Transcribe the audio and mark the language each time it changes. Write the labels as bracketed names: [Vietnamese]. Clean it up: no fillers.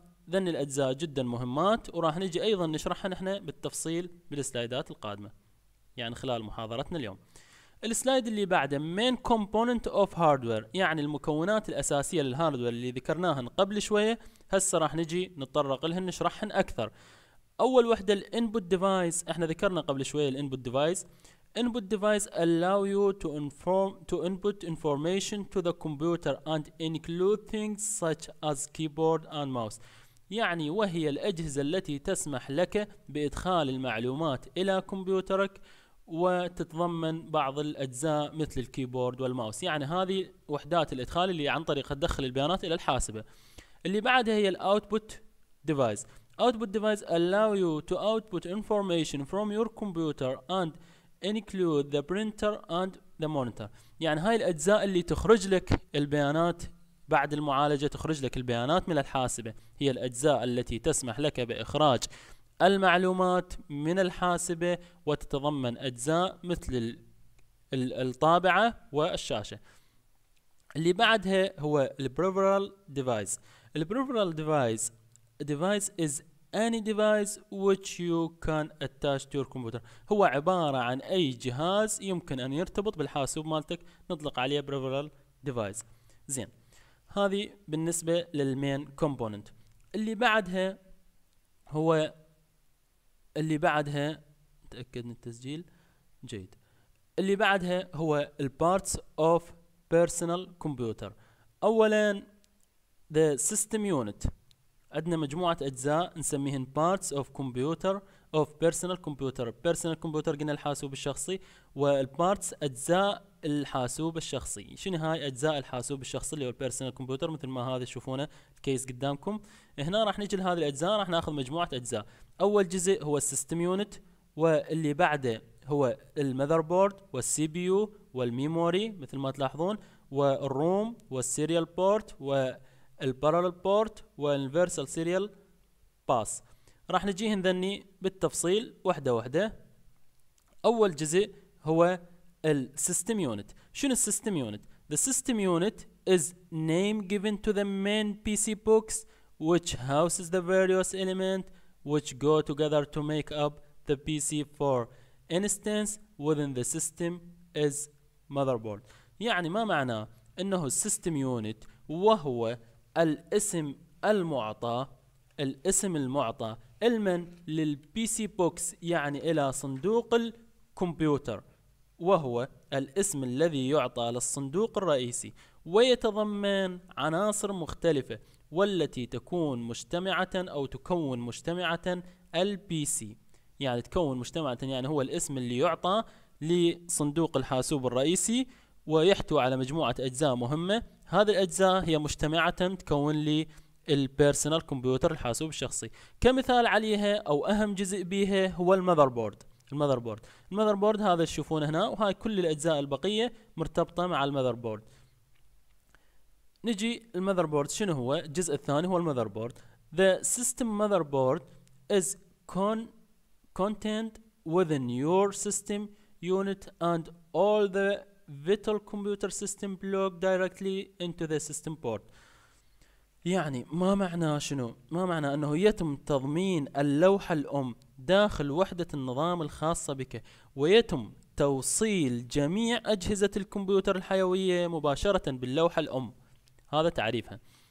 [Arabic] ذن الأجزاء جدا مهمات، وراح نجي أيضا نشرحها احنا بالتفصيل بالسلايدات القادمة، يعني خلال محاضرتنا اليوم. السلايد اللي بعده، [English] main component of hardware، [Arabic] يعني المكونات الأساسية للهاردوير اللي ذكرناهن قبل شوية، هسه راح نجي نتطرق لهن نشرحهن أكثر. أول وحدة الـ Input Device، إحنا ذكرنا قبل شوية الـ Input Device. [English] Input Device allow you to inform to input information to the computer and include things such as keyboard and mouse. [Arabic] يعني وهي الأجهزة التي تسمح لك بإدخال المعلومات إلى كمبيوترك وتتضمن بعض الأجزاء مثل الكيبورد والماوس، يعني هذه وحدات الإدخال اللي عن طريقها تدخل البيانات إلى الحاسبة. اللي بعدها هي الأوتبوت ديفايس. [English] Output device allow you to output information from your computer and include the printer and the monitor. [Arabic] يعني هاي الأجزاء اللي تخرج لك البيانات بعد المعالجة، تخرج لك البيانات من الحاسبة، هي الأجزاء التي تسمح لك بإخراج المعلومات من الحاسبة، وتتضمن أجزاء مثل الطابعة والشاشة. اللي بعدها هو peripheral device. [English] peripheral device device is any device which you can attach to your computer. [Arabic] هو عبارة عن أي جهاز يمكن أن يرتبط بالحاسوب مالتك، نطلق عليه peripheral device. زين، هذه بالنسبة للمين كومبوننت. اللي بعدها هو تأكد من التسجيل جيد. اللي بعدها هو [English] parts of personal computer. أولا the system unit، [Arabic] عندنا مجموعة أجزاء نسميهن [English] parts of computer of personal computer. [Arabic] personal computer قلنا الحاسوب الشخصي، والparts أجزاء الحاسوب الشخصي. شنو هاي أجزاء الحاسوب الشخصي اللي هو personal computer؟ مثل ما هذا تشوفونه الكيس قدامكم، هنا راح نجي لهذه الأجزاء، راح نأخذ مجموعة أجزاء. أول جزء هو system unit، واللي بعده هو motherboard والCPU والميموري مثل ما تلاحظون، والروم والسيريال بورت و البارالل بورت والانفرسال سيريال باس. راح نجيهن ذني بالتفصيل واحدة واحدة. اول جزء هو السيستم يونت. شنو السيستم يونت؟ [English] The system unit is name given to the main PC box which houses the various element which go together to make up the PC. For instance within the system is motherboard. [Arabic] يعني ما معناه انه السيستم يونت وهو الاسم المعطى، الاسم المعطى لمن؟ للبي سي بوكس، يعني الى صندوق الكمبيوتر، وهو الاسم الذي يعطى للصندوق الرئيسي، ويتضمن عناصر مختلفة والتي تكون مجتمعة او تكون مجتمعة البي سي. يعني تكون مجتمعة، يعني هو الاسم اللي يعطى لصندوق الحاسوب الرئيسي ويحتوي على مجموعة اجزاء مهمة. هذه الأجزاء هي مجتمعة تكون لي البيرسونال كمبيوتر الحاسوب الشخصي. كمثال عليها أو أهم جزء بيها هو المذربورد. المذربورد هذا تشوفونه هنا، وهاي كل الأجزاء البقية مرتبطة مع المذربورد. نجي المذربورد شنو هو؟ الجزء الثاني هو المذربورد. [English] The system motherboard is contained within your system unit and all the vital computer system block directly into the system port. [Arabic] يعني ما معناه شنو؟ ما معناه انه يتم تضمين اللوحة الام داخل وحدة النظام الخاصة بك، ويتم توصيل جميع اجهزة الكمبيوتر الحيوية مباشرة باللوحة الام. هذا تعريفها.